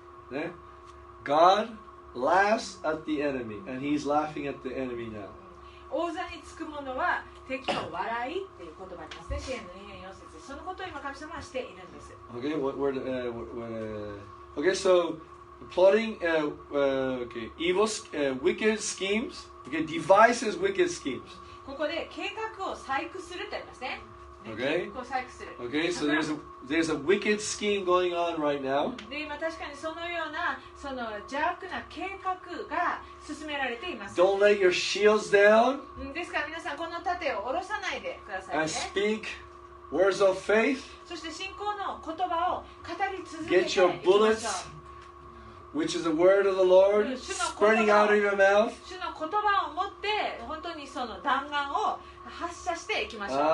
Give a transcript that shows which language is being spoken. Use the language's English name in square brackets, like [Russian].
[English] ね、God laughs at the enemy, and he's laughing at the enemy now. [Japanese] 王座につく者は敵を笑いっていう言葉ありますね。詩編の2の4節。そのことを今神様はしているんです。 [English] Okay, okay, so plotting okay, evil, wicked schemes, okay, devices, wicked schemes. [Japanese] ここで計画を細工するってありますね。 [English] Okay. Okay. So there's a wicked scheme going on right now. [Japanese] で今確かにそのようなその邪悪な計画が進められています。 [English] Don't let your shields down. [Japanese] ですから皆さんこの盾を下ろさないでくださいね。 [English] And speak words of faith. [Japanese] そして信仰の言葉を語り続けていきましょう。 [English] Get your bullets, which is the word of the Lord, spreading out of your mouth. [Japanese] 主の言葉を持って本当にその弾丸を発射していきましょう。